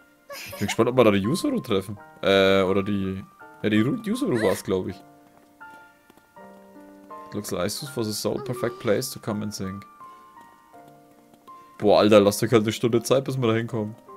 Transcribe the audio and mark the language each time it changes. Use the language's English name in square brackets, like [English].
[German] Ich bin gespannt, ob wir da die Yuzuru treffen. Oder die. Ja, die Yuzuru war es, glaube ich. [English] It looks like this was a so perfect place to come and sing. [German] Boah, Alter, lass dir halt eine Stunde Zeit, bis wir da hinkommen.